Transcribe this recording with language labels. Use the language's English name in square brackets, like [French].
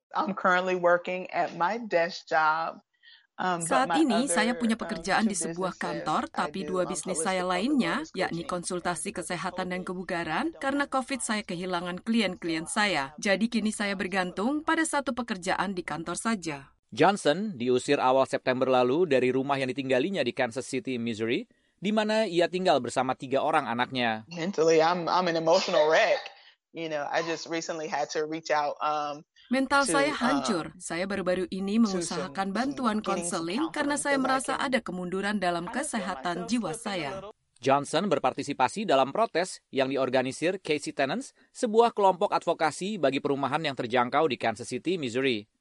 [English] I'm currently working at my desk job. [Indonesian] Saat ini saya punya pekerjaan di sebuah kantor, tapi dua bisnis saya lainnya, yakni konsultasi kesehatan dan kebugaran, karena COVID saya kehilangan klien-klien saya. Jadi kini saya bergantung pada satu pekerjaan di kantor saja. Johnson diusir awal September lalu dari rumah yang ditinggalinya di Kansas City, Missouri, di mana ia tinggal bersama tiga orang anaknya. [English] Mentally, I'm an emotional wreck. You know, I just recently had to reach out. [Indonesian] Mental saya hancur. Saya baru-baru ini mengusahakan bantuan konseling karena saya merasa ada kemunduran dalam kesehatan jiwa saya. Johnson berpartisipasi dalam protes yang diorganisir Casey Tenants, sebuah kelompok advokasi bagi perumahan yang terjangkau di Kansas City, Missouri.